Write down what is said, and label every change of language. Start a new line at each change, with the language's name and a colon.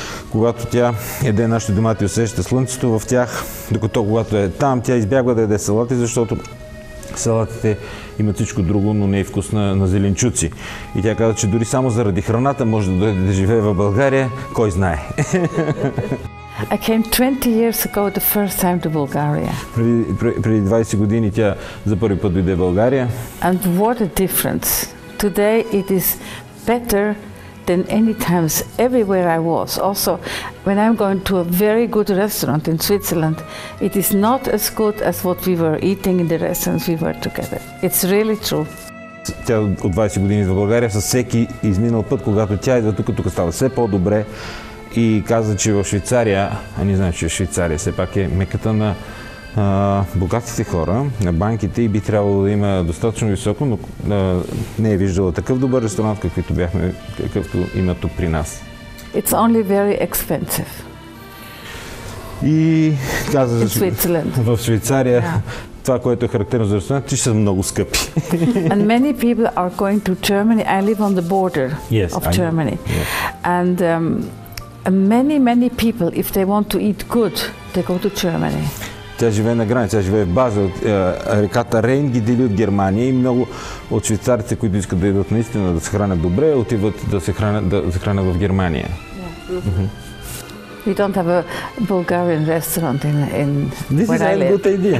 Bulgarian: Когато тя яде нашите домати, усеща слънцето в тях, докато когато е там, тя избягва да яде салати, защото салатите имат всичко друго, но не е вкус на зеленчуци. И тя казва, че дори само заради храната може да дойде да живее в България, кой знае.
English: I came 20 years ago the first time to Bulgaria.
Bulgarian: Преди 20 години тя за първи път дойде в България.
English: And what a difference. Today it is better than any times everywhere I was. Also, when I'm going to a very good restaurant in Switzerland, it is not as good as what we were eating in the restaurants we were together. It's really true.
Bulgarian: Тя от 20 години в България, с всеки изминал път, когато тя идва тук, тук става все по-добре. И каза, че в Швейцария, а не знам, че в Швейцария, все пак е меката на богатите хора, на банките и би трябвало да има достатъчно високо, но не е виждала такъв добър ресторант, какъвто има тук при нас.
English: It's only very expensive.
Bulgarian: И каза,
English: in Switzerland.
Bulgarian: В Швейцария, yeah. Това, което е характерно за ресторант, ти ще са много скъпи.
English: And many people are going to Germany. I live on the border, yes, of Germany. Yeah. And many people, if they want to eat good, they go to Germany.
Bulgarian: Тя живее на граница, тя живее в Базел, реката Рейн ги дели от Германия и много от швейцарите, които искат да идват наистина да се хранят добре, отиват да се хранят в Германия.
English: We don't have a Bulgarian restaurant in this where is I live. Good idea.